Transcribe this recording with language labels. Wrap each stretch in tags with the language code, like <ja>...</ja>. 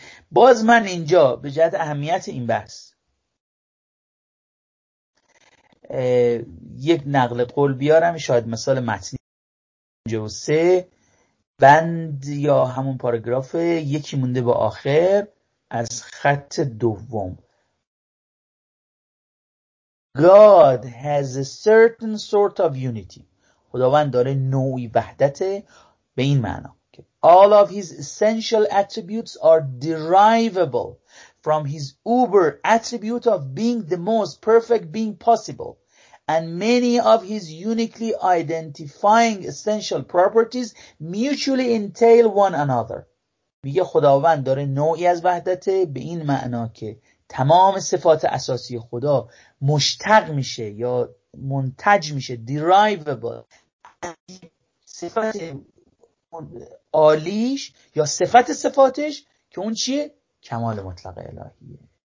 <fa>باز من اینجا به جهت اهمیت این بحث یک نقل قول بیارم، شاید مثال متنی 53 بند یا همون پاراگراف یکی مونده به آخر از خط دوم:</fa> <en>God has a certain sort of unity.</en> <fa>خداوند داره نوعی وحدت به این معنا که</fa> <en>all of his essential attributes are derivable from his uber attribute of being the most perfect being possible, and many of his uniquely identifying essential properties mutually entail one another.</en> <fa>میگه خداوند داره نوعی از وحدت به این معنا که تمام صفات اساسی خدا مشتق میشه یا منتج میشه، derivable، صفت عالیش یا صفت صفاتش که اون چیه؟ کمال مطلق الهیه.</fa>